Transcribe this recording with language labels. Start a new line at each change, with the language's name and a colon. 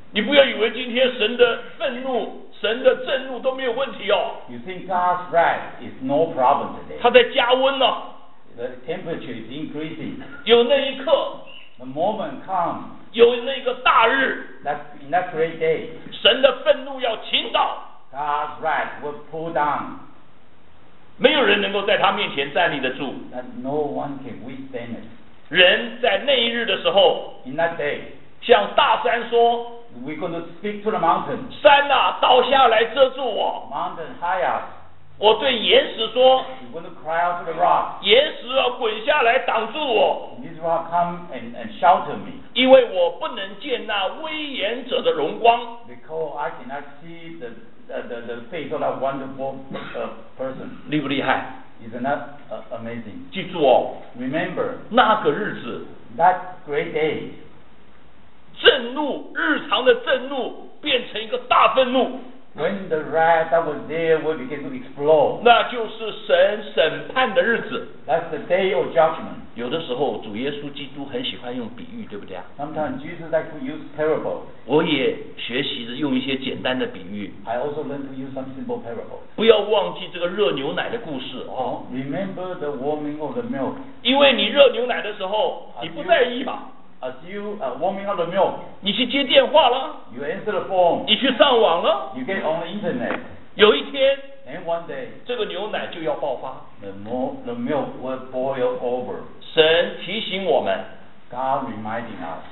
Chinese: 你不要以为今天神的愤怒、神的震怒都没有问题哦。
English: You think God's wrath is no problem today?
Chinese: 它在加温了。
English: The temperature is increasing.
Chinese: 有那一刻。
English: The moment comes.
Chinese: 有那个大日。
English: In that great day.
Chinese: 神的愤怒要倾倒。
English: God's wrath will pull down.
Chinese: 没有人能够在他面前站立得住。
English: No one can withstand it.
Chinese: 人在那一日的时候，
English: In that day,
Chinese: 向大山说，
English: We're going to speak to the mountain.
Chinese: 山啊，倒下来遮住我。
English: Mountain, hide us.
Chinese: 我对岩石说，
English: You're going to cry out to the rock.
Chinese: 岩石啊，滚下来挡住我。
English: This rock come and shelter me.
Chinese: 因为我不能见那威严者的荣光。
English: Because I cannot see the face of that wonderful person.
Chinese: 厉不厉害？
English: Isn't that amazing?
Chinese: 记住哦。
English: Remember.
Chinese: 那个日子。
English: That great day.
Chinese: 震怒，日常的震怒变成一个大愤怒。
English: When the wrath that was there will begin to explode.
Chinese: 那就是神审判的日子。
English: That's the day of judgment.
Chinese: 有的时候主耶稣基督很喜欢用比喻，对不对啊？
English: Sometimes Jesus likes to use parables.
Chinese: 我也学习着用一些简单的比喻。
English: I also learn to use some simple parables.
Chinese: 不要忘记这个热牛奶的故事。
English: Remember the warming of the milk.
Chinese: 因为你热牛奶的时候你不在意嘛。
English: As you warming up the milk.
Chinese: 你去接电话了。
English: You answer the phone.
Chinese: 你去上网了。
English: You get on the internet.
Chinese: 有一天。
English: And one day,
Chinese: 这个牛奶就要爆发。
English: The milk will boil over.
Chinese: 神提醒我们。
English: God reminding us.